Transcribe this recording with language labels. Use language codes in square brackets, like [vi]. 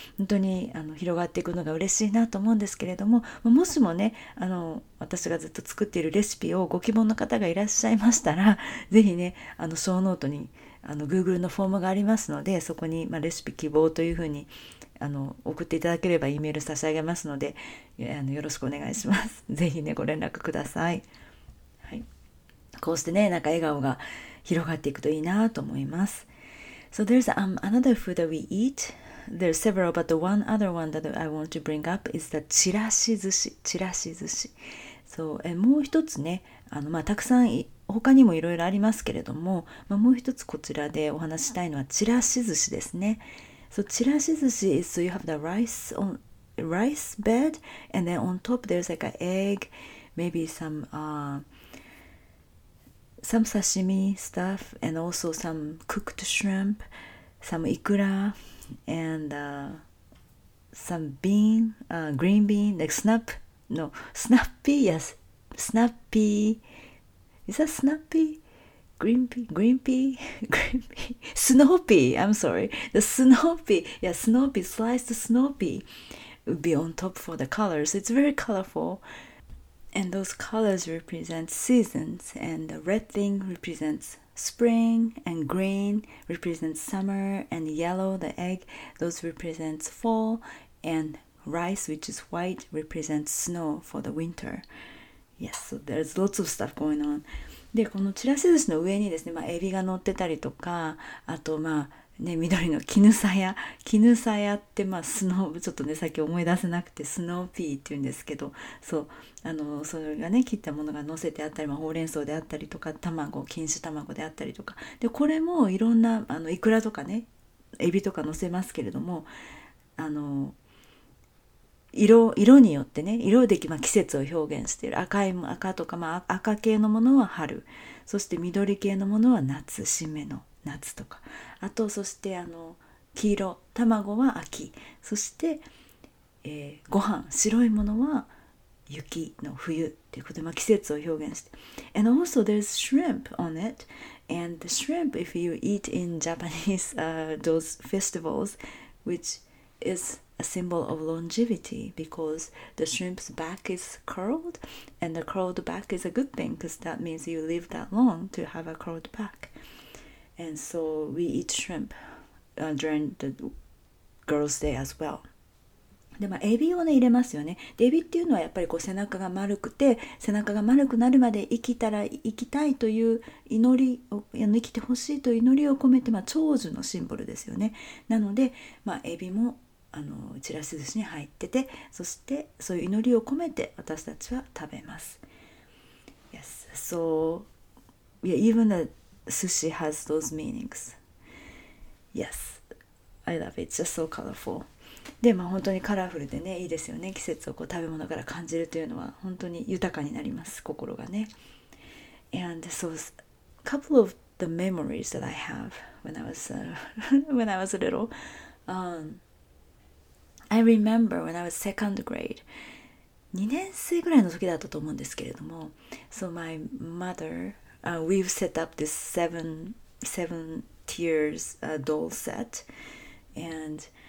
[ja] 本当にあの広がっていくのが嬉しいなと思うんですけれども、もしもね、あの私がずっと作っているレシピをご希望の方がいらっしゃいましたら、ぜひね、あのショーノートにあの Google のフォームがありますので、そこに、まあ、レシピ希望というふうにあの送っていただければイメール差し上げますので、あのよろしくお願いします。ぜひねご連絡ください、はい、こうしてねなんか笑顔が広がっていくといいなと思います。 [en] So there's another food that we eat. There's several, but the one other one that I want to bring up is the チラシ寿司。 [ja] チラシ寿司、そう、もう一つね、あの、まあ、たくさん他にもいろいろありますけれども、まあ、もう一つこちらでお話したいのはチラシ寿司ですね。 [en] So, chirashi sushi is, so you have the rice on rice bed, and then on top there's like an egg, maybe some sashimi stuff, and also some cooked shrimp, some ikura, and some bean, green bean, like snap, no, snap pea, yes, snap pea, is that snap pea? Green pea, snow pea, I'm sorry, the snow pea, yeah, snow pea, sliced snow pea would be on top for the colors. It's very colorful, and those colors represent seasons, and the red thing represents spring, and green represents summer, and yellow, the egg, those represents fall, and rice, which is white, represents snow for the winter. Yes, so there's lots of stuff going on. [ja] で、このチラシ寿司の上にですね、まあ、エビが乗ってたりとか、あとまあ、ね、緑のキヌサヤ。キヌサヤって、まあ、スノー、ちょっとね、さっき思い出せなくて、スノーピーっていうんですけど、そう、あの、それがね、切ったものが乗せてあったり、まあ、ほうれん草であったりとか、卵、錦糸卵であったりとか、で、これもいろんな、あの、イクラとかね、エビとか乗せますけれども、あの、色によってね、色で、まあ、季節を表現している。赤とか、まあ、赤系のものは春、そして緑系のものは夏、新芽の夏とか、あとそしてあの黄色、卵は秋、そして、ご飯、白いものは雪の冬ということで、まあ、季節を表現して。 [en] And also there's shrimp on it. And the shrimp, if you eat in Japanese, those festivals, which is... A symbol of longevity because the shrimp's back is curled, and the curled back is a good thing because that means you live that long to have a curled back. And so we eat shrimp during the Girls' Day as well. [ja] でもエビをね入れますよね。エビっていうのはやっぱりこう背中が丸くて、背中が丸くなるまで生きたら生きたいという祈りを、生きてほしいという祈りを込めて、まあ、長寿のシンボルですよね。なので、まあ、エビもあのちらし寿司に入ってて、そしてそういう祈りを込めて私たちは食べます。 [en] Yes, so yeah, even the sushi has those meanings. Yes, I love it. It's just so colorful. [ja] で、まあ、本当にカラフルでね、いいですよね。季節をこう食べ物から感じるというのは本当に豊かになります。心がね。 [en] And so, a couple of the memories that I have when I was little, I remember when I was second grade. [ja] 2年生ぐらいの時だったと思うんですけれども、 [en] So my mother, we've set up this seven tiers doll set, and...